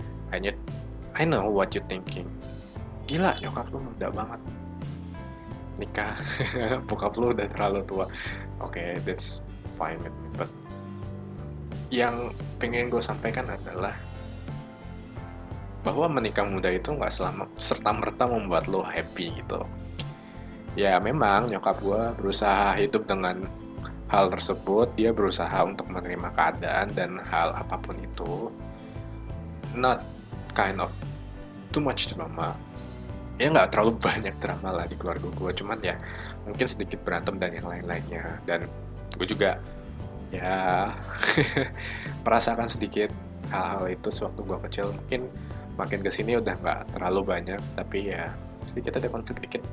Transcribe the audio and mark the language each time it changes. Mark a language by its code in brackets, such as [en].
[en] I know what you thinking. [id] Gila, nyokap lo muda banget nikah. Bokap lo udah terlalu tua. Oke, [en] okay, that's fine with me. [id] But yang pengen gue sampaikan adalah bahwa menikah muda itu gak serta-merta membuat lo happy gitu. Ya, memang nyokap gue berusaha hidup dengan hal tersebut. Dia berusaha untuk menerima keadaan dan hal apapun itu. [en] Not kind of too much drama. [id] Ya, gak terlalu banyak drama lah di keluarga gue. Cuman ya, mungkin sedikit berantem dan yang lain-lainnya. Dan gue juga ya merasakan sedikit hal-hal itu sewaktu gue kecil. Mungkin makin kesini udah gak terlalu banyak. Tapi ya sedikit ada konflik dikit.